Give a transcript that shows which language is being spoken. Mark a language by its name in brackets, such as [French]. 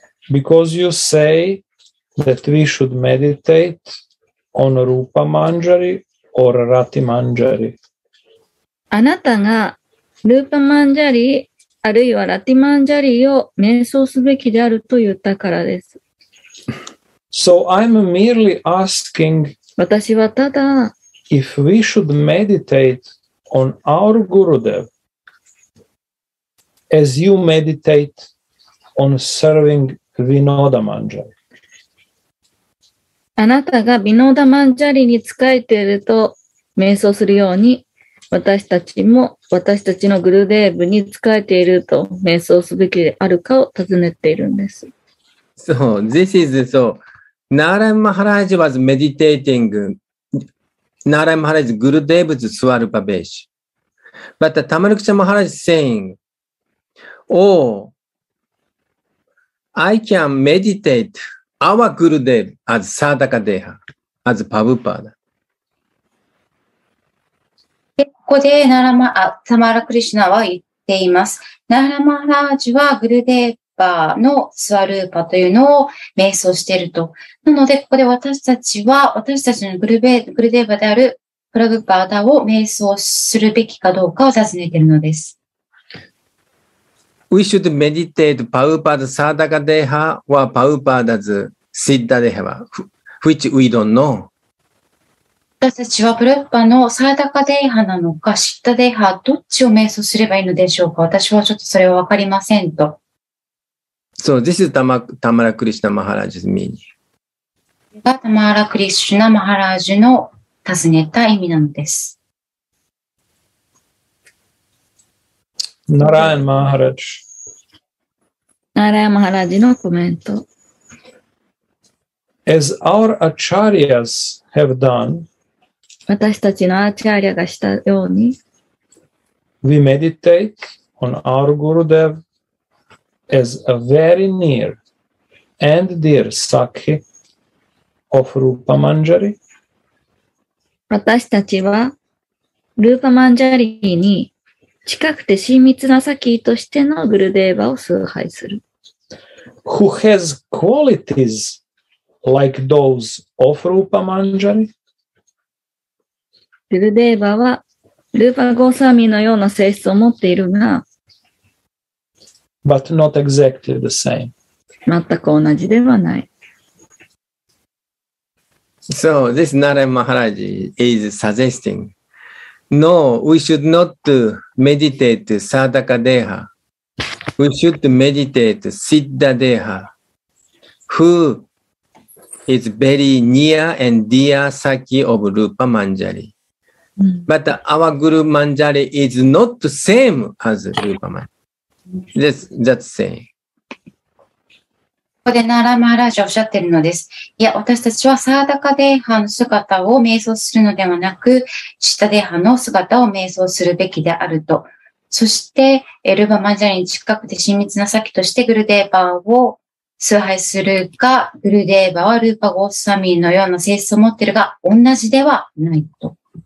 [English] Because you say. That we should meditate on Rupa Manjari or Rati Manjari. [Japanese] あなたがルーパマンジャリあるいはラティマンジャリを瞑想すべきであると言ったからです。 [English] So I'm merely asking. [Japanese] 私はただ [English] if we should meditate on our Gurudev as you meditate on serving Vinoda Manjari. [Japanese] あなたがビノーダマンジャリに仕えていると瞑想するように、私たちも私たちのグルデーブに仕えていると瞑想すべきであるかを尋ねているんです。 [English] So, this is so, Narayan Maharaj was meditating Narayan Maharaj Gurudev's Swarupa Besh. But Tamarukcha Maharaj is saying, Oh, I can meditate. Our Gurudev as Sadaka Deha, as Prabhupada. [Japanese] ここでタマラ・クリシュナは言っています。ナラ・マハラージはグルデーバーのスワルーパというのを瞑想していると。なので、ここで私たちは、私たちのグルデーバーであるプラグパーダを瞑想するべきかどうかを尋ねているのです。 [English] We should meditate Prabhupada's Sadaka Deha or Prabhupada's Siddha Deha, which we don't know. [Japanese] 私たちはプルッパのサーダカデイハなのか、シッタデイハ、どっちを瞑想すればいいのでしょうか。私はちょっとそれはわかりませんと。 [English] So, this is Tamara Krishna Maharaj's meaning. [Japanese] Tamara Krishna Maharaj の尋ねた意味なのです。 [English] Narayan Maharaj. [Japanese] Narayan Maharaj のコメント。 [English] As our acharyas have done, [Japanese] 私たちのアーチャーリアがしたように、 [English] we meditate on our Gurudev as a very near and dear Sakhi of Rupa Manjari. [Japanese] 私たちは、ルーパマンジャリーに近くて親密なサキとしてのグルデーバを崇拝する。 [English] Who has qualities like those of Rupa Manjari? [Japanese] グルデーバはルーパゴーサミのような性質を持っているが、 [English] But not exactly the same. [Japanese] 全く同じではない。 [English] So this Narayan Maharaj is suggesting, no, we should not meditate Sadaka Deha. We should meditate Siddha Deha, who is very near and dear Sakhi of Rupa Manjari.、 Mm. But our Guru Manjari is not the same as Rupa Manjari. That's saying. [Japanese] ここでナーラマハラージュおっしゃってるのです。いや、私たちはサーダカデーハの姿を瞑想するのではなく、シッタデーハの姿を瞑想するべきであると。そして、ルーパマンジャリに近くて親密な先としてグルデーバーを崇拝するが、グルデーバーはルーパゴッサミーのような性質を持っているが、同じではないと。